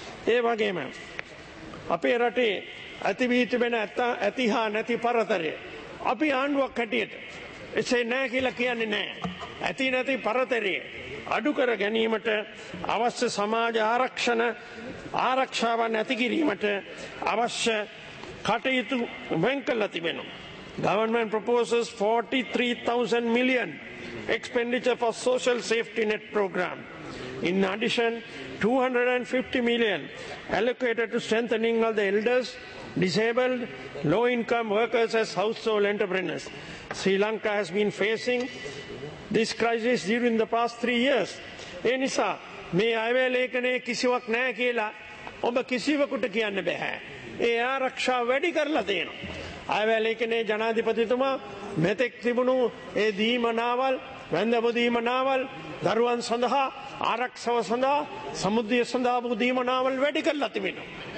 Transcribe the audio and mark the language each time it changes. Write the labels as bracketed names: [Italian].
[Sinhala] ඒ වගේම අපේ රටේ ඇති වී තිබෙන ඇති හා නැති පරතරය අපි ආණ්ඩුවක් හැටියට එසේ නැහැ කියලා කියන්නේ නැහැ. ඇති නැති පරතරය අඩු කර ගැනීමට අවශ්‍ය සමාජ ආරක්ෂණ ආරක්ෂාවන් ඇති කිරීමට අවශ්‍ය කටයුතු වෙන් කළ තිබෙනවා. [English] Government proposes 43,000 million expenditure for social safety net program. In addition, 250 million allocated to strengthening of the elders, disabled, low-income workers as household entrepreneurs. Sri Lanka has been facing this crisis during the past 3 years. [Sinhala] ඒ නිසා මේ අයවැලේකනේ කිසිවක් නැහැ කියලා ඔබ කිසිවකට කියන්න බෑ. ඒ ආරක්ෂා වැඩි කරලා තියෙනවා. අයවැලේකනේ ජනාධිපතිතුමා මෙතෙක් තිබුණු ඒ දීමනාවල්, වැඳපු දීමනාවල් දරුවන් සඳහා, ආරක්ෂාව සඳහා, සමුද්‍රය සඳහා වූ දීමනාවල් වැඩි කරලා තිබෙනවා.